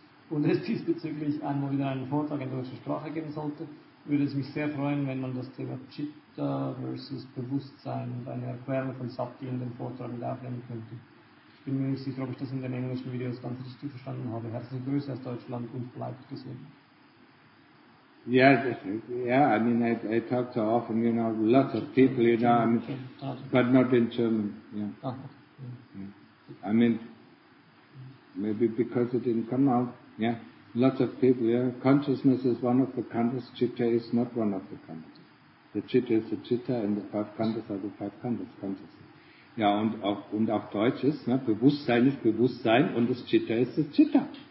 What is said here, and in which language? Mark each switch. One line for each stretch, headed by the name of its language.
German: Und es diesbezüglich einmal wieder einen Vortrag in deutscher Sprache geben sollte, würde es mich sehr freuen, wenn man das Thema Chitta versus Bewusstsein und eine Erklärung von Sati in den Vortrag mit aufnehmen könnte. Ich bin mir nicht sicher, ob ich das in den englischen Videos ganz richtig verstanden habe. Herzliche Grüße aus Deutschland und bleibt gesund.
English: I talk so often, you know, lots of people, you know, I mean, but not in German, yeah. I mean, maybe because it didn't come out, yeah. Lots of people, yeah. Consciousness is one of the khandhas, chitta is not one of the khandhas. The chitta is the chitta and the five khandhas are the five khandhas, consciousness.
German: Ja, und auf Deutsch ist, ne, Bewusstsein ist Bewusstsein und das Chitta ist das Chitta.